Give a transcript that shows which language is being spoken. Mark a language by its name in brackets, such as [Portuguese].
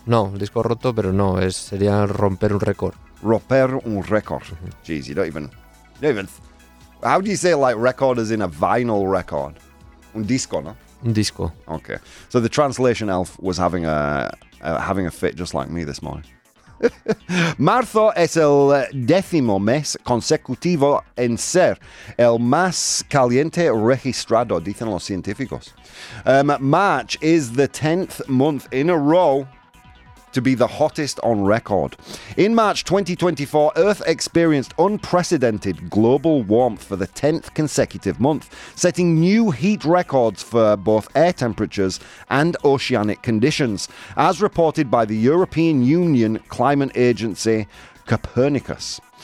[Spanish] No, disco roto, pero no. Sería romper un récord. Romper un record. [English] Jeez, you don't even. How do you say like record as in a vinyl record? [Spanish] Un disco, no? Un disco. [English] Okay. So the translation elf was having a fit just like me this morning. [Spanish] Marzo es el décimo mes consecutivo en ser el más caliente registrado, dicen los científicos. [English] March is the 10th month in a row to be the hottest on record. In March 2024, Earth experienced unprecedented global warmth for the 10th consecutive month, setting new heat records for both air temperatures and oceanic conditions, as reported by the European Union climate agency Copernicus.